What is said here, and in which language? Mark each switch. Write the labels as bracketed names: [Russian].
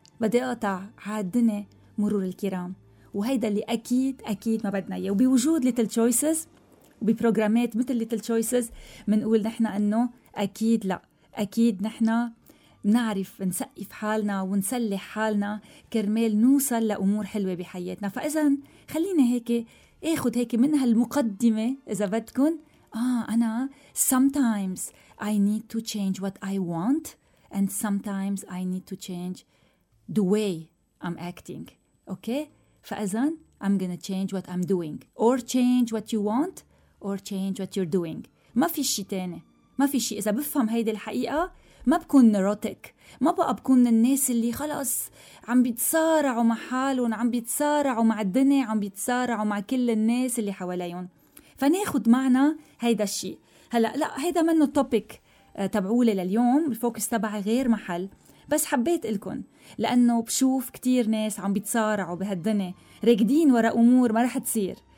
[Arabic] بدي أقطع عالدني مرور الكرام، وهيدا اللي أكيد أكيد ما بدنا إياه. وبوجود little choices وببروغرامات مثل little choices منقول نحنا أنه أكيد لا، أكيد نحنا نعرف نسقف حالنا ونسلح حالنا كرمال نوصل لأمور حلوة بحياتنا. فإذا خلينا هيك أخذ هيك من هالمقدمة إذا بدكن، أنا [English] sometimes I need to change what I want and sometimes I need to change the way I'm acting. Okay, [Arabic] فإذا [English] I'm gonna change what I'm doing or change what you want or change what you're doing. [Arabic] ما في شي تاني، ما في شي. إذا بفهم هيدا الحقيقة ما بكون نيروتيك، ما بقى بكون من الناس اللي خلاص عم بيتصارعوا مع حالهم، عم بيتصارعوا مع الدنيا، عم بيتصارعوا مع كل الناس اللي حواليهم. فناخد معنا هيدا الشيء. هلأ لا، هيدا منه التوبيك تبعولي لليوم، الفوكس تبعي غير محل، بس حبيت لكم لأنه بشوف كتير ناس عم بيتصارعوا بهالدنيا، راكدين ورا أمور ما رح تصير.